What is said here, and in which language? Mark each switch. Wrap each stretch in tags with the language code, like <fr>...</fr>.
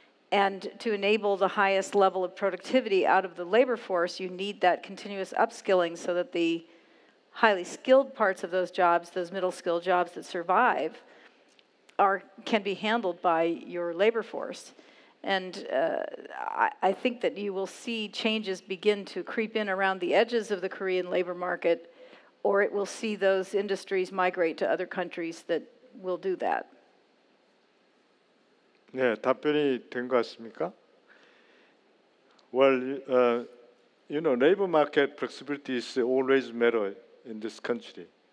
<en>And to enable the highest level of productivity out of the labor force, you need that continuous upskilling so that the highly skilled parts of those jobs, those middle skill jobs that survive, can be handled by your labor force. And I think that you will see changes begin to creep in around the edges of the Korean labor market, or it will see those industries migrate to other countries that will do that.</en> <ko>네, 답변이 된 것 같습니까?</ko> <en>Well, you know, labor market flexibility is always matter in this country.</en>